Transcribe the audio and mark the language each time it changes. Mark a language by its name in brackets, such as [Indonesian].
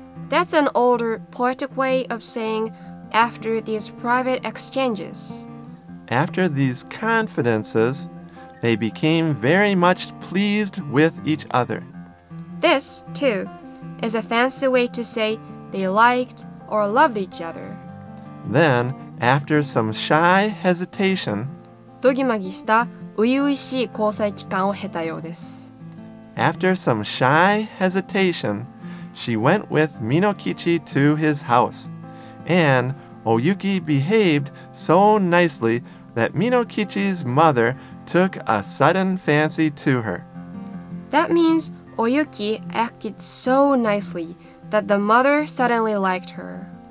[English] that's an older poetic way of saying after these private exchanges. After these confidences, they became very much pleased with each other. This, too, is a fancy way to say they liked or loved each other. Then, after some shy hesitation, [Japanese] どぎまぎした初々しい交際期間を経たようです。 [English] After some shy hesitation, she went with Minokichi to his house, and Oyuki behaved so nicely that Minokichi's mother took a sudden fancy to her. That means Oyuki acted so nicely that the mother suddenly liked her.